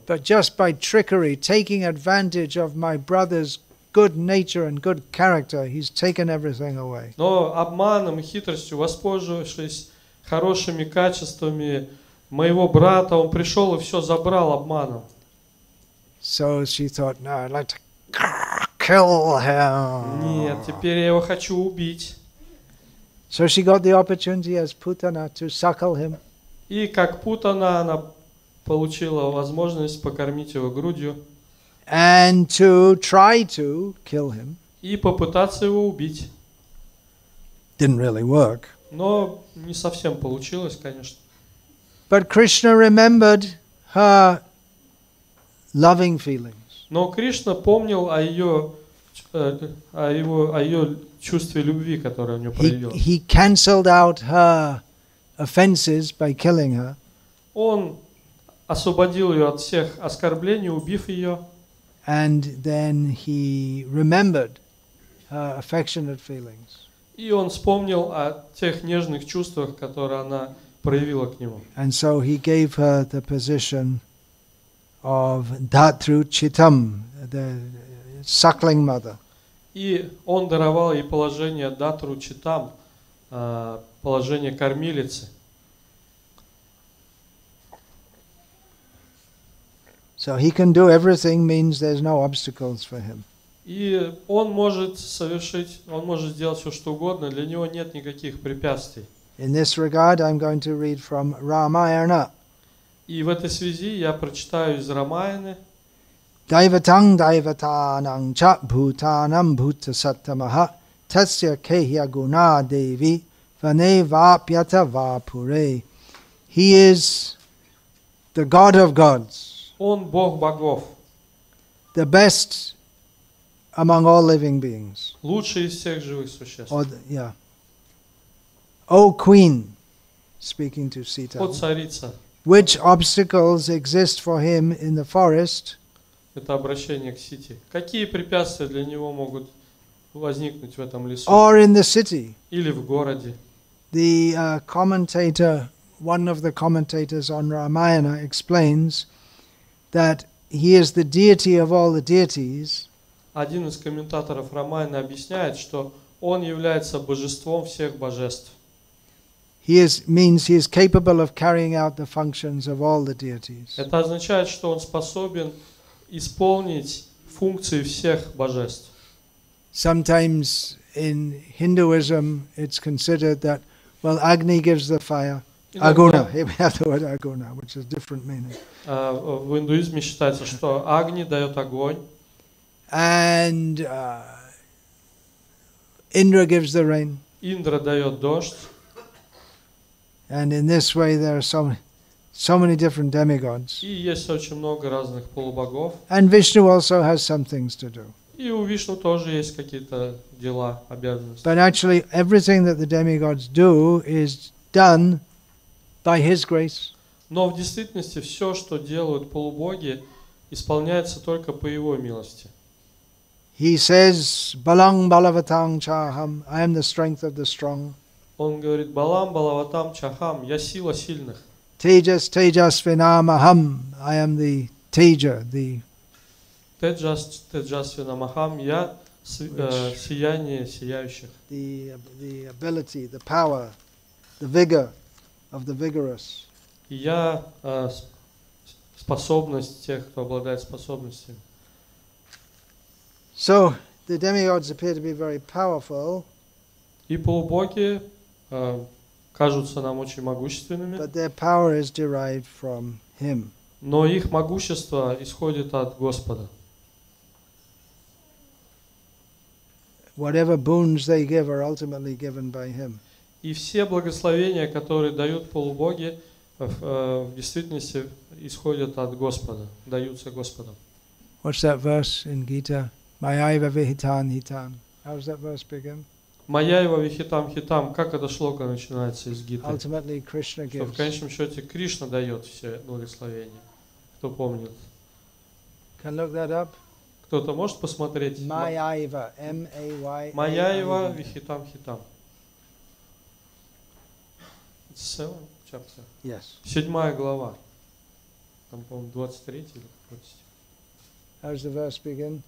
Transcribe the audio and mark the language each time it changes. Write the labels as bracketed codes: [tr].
[en] But just by trickery, taking advantage of my brother's good nature and good character, he's taken everything away. [ru] Но обманом и хитростью, воспользовавшись хорошими качествами моего брата, он пришел и все забрал обманом. [en] So she thought, no, I'd like to kill him. [ru] Нет, теперь я его хочу убить. [en] So she got the opportunity as Putana to suckle him. [ru] И как Путана она получила возможность покормить его грудью. [en] And to try to kill him. [ru] И попытаться его убить. [en] Didn't really work. [ru] Но не совсем получилось, конечно. [en] But Krishna remembered her loving feelings. [ru] Но Кришна помнил о ее чувстве любви, которое у нее проявилось. [en] He cancelled out her offenses by killing her. [ru] Он освободил ее от всех оскорблений, убив ее. [en] And then he remembered her affectionate feelings. [ru] И он вспомнил о тех нежных чувствах, которые она проявила к нему. [en] And so he gave her the position of Dhatru Chitam, the suckling mother. [ru] И он даровал ей положение датру читам, положение кормилицы. [en] So he can do everything means there's no obstacles for him. [ru] И он может совершить, он может сделать все что угодно, для него нет никаких препятствий. [en] In this regard, I'm going to read from Ramayana. [ru] И в этой связи я прочитаю из Рамаяны. [sa] Daivatang daivatanang cha bhutanam bhuta sattamaha tasya kehya guna devi vane vapyata vapure. [en] He is the God of gods. [ru] Он Бог богов. [en] The best among all living beings. [ru] Лучший из всех живых существ. [en] O queen, speaking to Sita. [ru] О царица. [en] Which obstacles exist for him in the forest? [ru] Это обращение к Сите. Какие препятствия для него могут возникнуть в этом лесу? [en] Or in the city. [ru] Или в городе. [en] The commentator, one of the commentators on Ramayana explains that he is the deity of all the deities. [ru] Один из комментаторов Рамаяны объясняет, что он является божеством всех божеств. [en] He is, means he is capable of carrying out the functions of all the deities. [ru] Это означает, что он способен исполнить функции всех божеств. [en] Sometimes in Hinduism it's considered that, well, Agni gives the fire. Aguna. Here we have the word Aguna, which is different meaning. [ru] В индуизме считается, что Агни дает огонь. [en] And Indra gives the rain. [ru] Индра дает дождь. [en] And in this way there are so many different demigods. [ru] И есть очень много разных полубогов. [en] And Vishnu also has some things to do. [ru] И у Вишну тоже есть какие-то дела, обязанности. [en] But actually, everything that the demigods do is done by His grace. [ru] Но в действительности все, что делают полубоги, исполняется только по Его милости. [en] He says, [sa] "Balang balavatang chaham, [en] I am the strength of the strong." [ru] Он говорит, [sa] "Balang balavatang chaham, [ru] я сила сильных." [sa] Tejas Tejas Vinamaham, [en] I am the Teja, the [sa] Tejas Tejas Vinamaham, [ru] я сияние сияющих. [en] The ability, the power, the vigor of the vigorous. [ru] Я способность тех, кто обладает способностями. [en] So the demigods appear to be very powerful. [ru] И полубоги кажутся нам очень могущественными. [en] But their power is derived from him. [ru] Но их могущество исходит от Господа. [en] Whatever boons they give are ultimately given by him. [ru] И все благословения, которые дают полубоги, в действительности исходят от Господа, даются Господом. [en] What's that verse in Gita? [sa] Mayaiva vihitan hitan. [en] How does that verse begin? [sa] Маяева вихитам хитам, [ru] как эта шлока начинается из Гиты? [en] Ultimately, Krishna gives. [ru] Что в конечном счете Кришна дает все благословения. Кто помнит? [en] Can look that up? [ru] Кто-то может посмотреть? [sa] Маяева, M-A-Y-A-I-V-A. Маяева вихитам хитам. [en] 7th chapter. Yes. [ru] 7 глава. Там, по-моему, 23 или 24. [en] How does the verse begin?